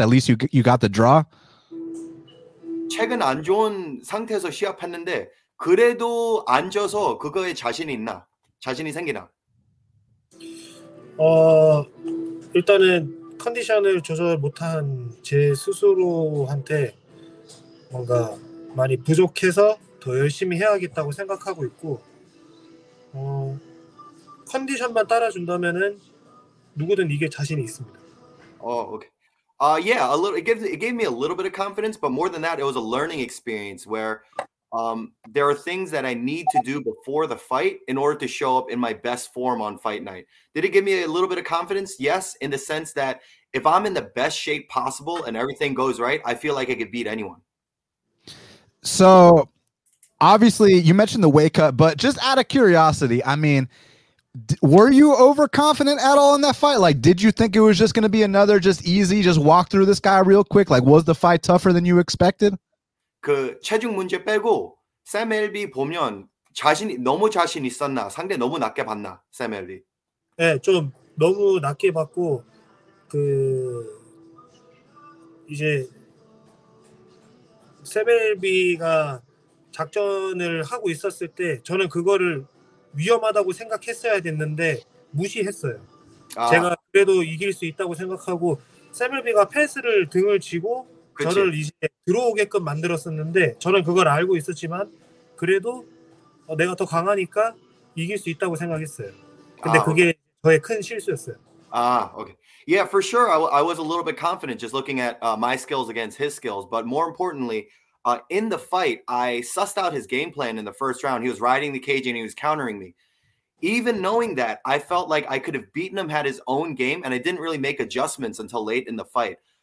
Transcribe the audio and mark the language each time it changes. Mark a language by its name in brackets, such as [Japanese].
[English] At least you got the draw. [Korean] 최근 안 좋은 상태에서 시합했는데 그래도 안 져서 그거에 자신이 있나? 자신이 생기나? 일단은 컨디션을 조절 못한 제 스스로한테 뭔가 많이 부족해서 더 열심히 해야겠다고 생각하고 있고 컨디션만 따라준다면은 누구든 이게 자신이 있습니다. [English] Oh, okay. Yeah, a little. It gave me a little bit of confidence, but more than that, it was a learning experience where there are things that I need to do before the fight in order to show up in my best form on fight night. Did it give me a little bit of confidence? Yes, in the sense that if I'm in the best shape possible and everything goes right, I feel like I could beat anyone. So, obviously, you mentioned the weight cut, but just out of curiosity, I mean, were you overconfident at all in that fight? Like, did you think it was just going to be another just easy, just walk through this guy real quick? Like, was the fight tougher than you expected? [Korean] 그 체중 문제 빼고 샘 엘비 보면 자신이 너무 자신 있었나? 상대 너무 낮게 봤나? 샘 엘비. 네, 좀 너무 낮게 봤고 그 이제 샘 엘비가 작전을 하고 있었을 때 저는 그거를 위험하다고 생각했어야 됐는데 무시했어요. 아. 제가 그래도 이길 수 있다고 생각하고 세멜비가 패스를 등을 쥐고 그치. 저를 이제 들어오게끔 만들었었는데 저는 그걸 알고 있었지만 그래도 내가 더 강하니까 이길 수 있다고 생각했어요. 근데 아, 그게 오케이. 저의 큰 실수였어요. [English] 아, 오케이. Yeah, for sure. I was a little bit confident just looking at my skills against his skills, but more importantly, in the fight, I sussed out his game plan in the first round. He was riding the cage and he was countering me. Even knowing that, I felt like I could have beaten him had his own game, and I didn't really make adjustments until late in the fight.